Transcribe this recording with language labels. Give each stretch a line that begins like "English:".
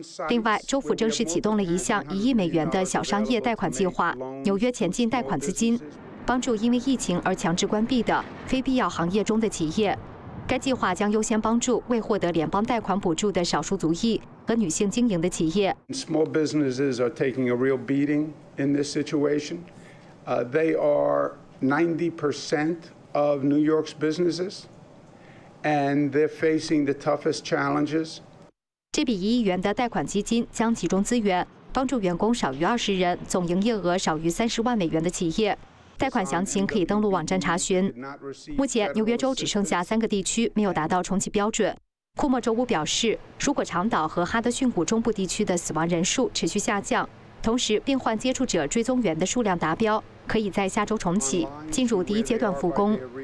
Chinese: 另外，州府正式启动了一项1亿美元的小商业贷款计划，纽约前进贷款资金，帮助因为疫情而强制关闭的非必要行业中的企业。该计划将优先帮助未获得联邦贷款补助的少数族裔和女性经营的企业。
English: Small businesses are taking a real beating in this situation. They are 90% of New York's businesses, and they're facing the toughest challenges.
Chinese: 这笔1亿元的贷款基金将集中资源，帮助员工少于20人、总营业额少于30万美元的企业。贷款详情可以登录网站查询。目前，纽约州只剩下3个地区没有达到重启标准。库莫周五表示，如果长岛和哈德逊谷中部地区的死亡人数持续下降，同时病患接触者追踪员的数量达标，可以在下周重启，进入第一阶段复工。